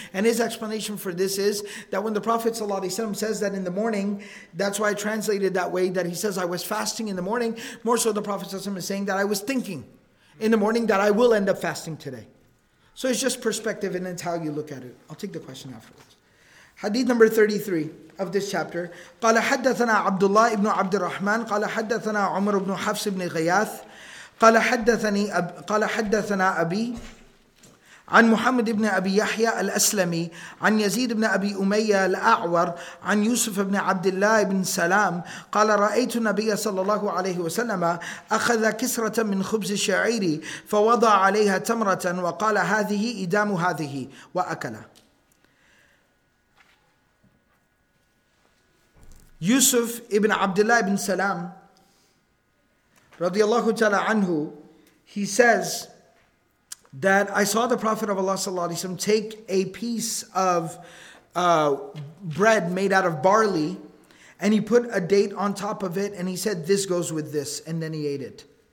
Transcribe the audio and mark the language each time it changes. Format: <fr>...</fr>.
<en>And his explanation for this is that when the Prophet says that in the morning, that's why I translated that way, that he says, "I was fasting in the morning." More so the Prophet is saying that I was thinking in the morning that I will end up fasting today. So it's just perspective and it's how you look at it. I'll take the question afterwards. Hadith number 33 of this chapter.</en> <ar>قَالَ حَدَّثَنَا عَبْدُ اللَّهِ ابْنُ عَبْدِ الرَّحْمَنِ قَالَ حَدَّثَنَا عُمَرُ بْنُ حَفْسِ بْنِ غَيَاثِ قَالَ حَدَّثَنَا أَبِي عن محمد بن أبي يحيى الأسلمي عن يزيد بن أبي أمية الأعور عن يوسف بن عبد الله بن سلام قال رأيت النبي صلى الله عليه وسلم أخذ كسرة من خبز الشعير فوضع عليها تمرة وقال هذه إدام هذه وأكل. يوسف بن عبد الله بن سلام رضي الله تعالى عنه,</ar> <en>he says that I saw the Prophet of Allah sallallahu alaihi wasallam take a piece of bread made out of barley and he put a date on top of it and he said, "This goes with this," and then he ate it.</en>